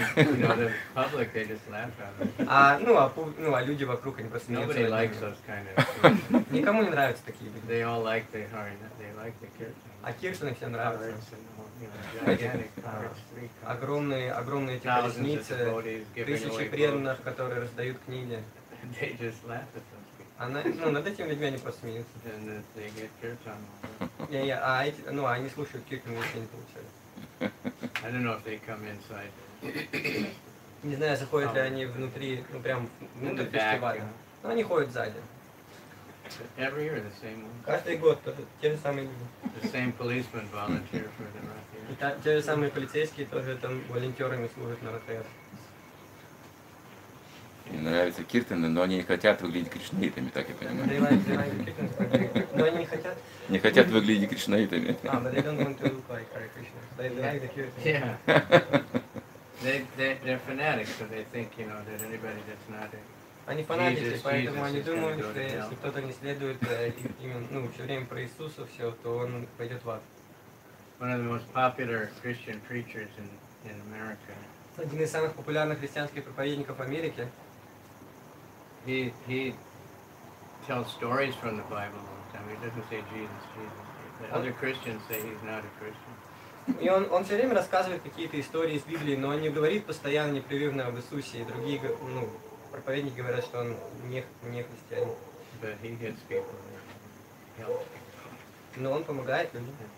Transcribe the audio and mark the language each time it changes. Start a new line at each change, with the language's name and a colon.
English: You know, the public, they just laugh at them.
Russian: А люди вокруг, они просто смеются.
English: Nobody likes those kind of.
Russian: Никому не нравятся такие люди.
English: They all like the harina. They like the kirtan.
Russian: А кирсаны все нравятся.
English: You know, gigantic cards.
Russian: Огромные эти колесницы, тысячи преданных, которые раздают книги.
English: They just laugh at them.
Russian: Над этими людьми они просто смеются.
English: And they get kirtan.
Russian: Они слушают kirtan, если они получают.
English: I don't know if they come inside.
Russian: Не знаю, заходят ли они внутри, прямо внутрь фестиваля. Но они ходят сзади.
English: Every year the same ones.
Russian: Каждый год те же самые люди.
English: The same policemen volunteer for the Radha.
Russian: Те же самые полицейские тоже там волонтерами служат на Радха. Им нравятся киртаны, но они не хотят выглядеть кришнаитами, так я понимаю.
English: They like kirtans, but they...
Russian: Но они не хотят? Не хотят выглядеть кришнаитами.
English: They're fanatics, so they think, you know, that anybody that's not a...
Russian: Они фанатики, Jesus, поэтому Jesus они думают, что если кто-то не следует именно, все время про Иисуса все, то он пойдет в ад.
English: One of the most popular Christian preachers in America.
Russian: Один из самых популярных христианских проповедников в Америке.
English: He tells stories from the Bible all the time. He doesn't say Jesus. But other Christians say he's not a Christian.
Russian: И он все время рассказывает какие-то истории из Библии, но он не говорит постоянно непрерывно об Иисусе. И другие проповедники говорят, что он не христианин.
English: But he gets people. He helps people.
Russian: Но он помогает людям.